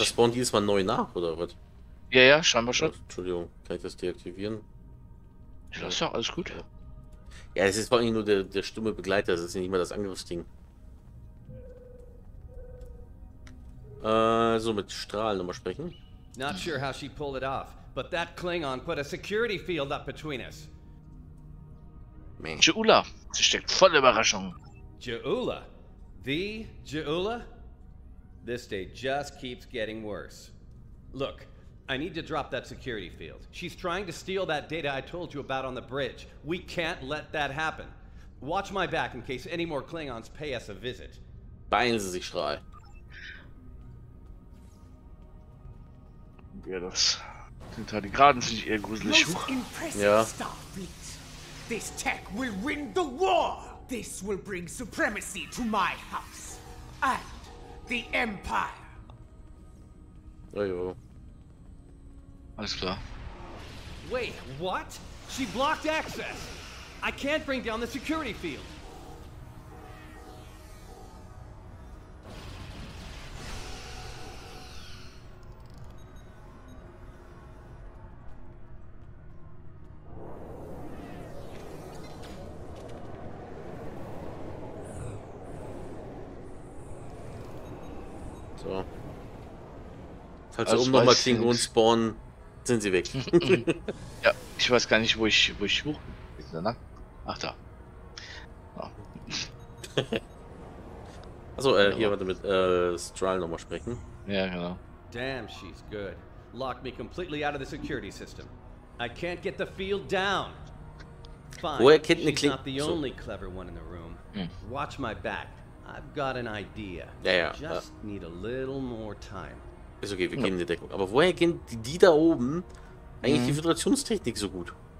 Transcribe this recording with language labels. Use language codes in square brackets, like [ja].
[de] Das spawnt jedes Mal neu nach, oder was? Ja, scheinbar schon. Ja, Entschuldigung, kann ich das deaktivieren? Ich lasse ja alles gut. Ja. Ja, es ist vor allem nur der stumme Begleiter, das ist nicht mal das Angriffsding. So mit Strahlen nochmal sprechen. [en] Not sure how she pulled it off, but that Klingon put a security field up between us. [de] Ja'ula, sie steckt voll Überraschung. [en] Ja'ula? The Ja'ula? This day just keeps getting worse. Look. I need to drop that security field. She's trying to steal that data I told you about on the bridge. We can't let that happen. Watch my back in case any more Klingons pay us a visit. [de] Beeilen Sie sich, Strahl. Ja, das sind halt die Geraden, sind eher gruselig. [en] Most impressive Starfleet. This tech will win the war. This will bring supremacy to my house. And the Empire. Oh, jo. [de] Alles klar. [en] Wait, what? She blocked access. I can't bring down the security field. [de] So. Falls also, noch mal Klingon spawnen. Sind sie weg? Ja, ich weiß gar nicht, wo ich hoch bin. Ach, da. Achso, hier warte mit Strahl nochmal sprechen. Ja, genau. [en] Damn, she's good. Locked me completely out of the security system. I can't get the field down. [de] Fine. Woher kennt eine Klingon? [en] She's not the only clever one in the room. Watch my back. I've got an idea. [de] Ja. [en] Just need a little more time. [de] Ist okay, wir gehen in die Deckung. Aber woher kennt die da oben eigentlich die Föderationstechnik so gut?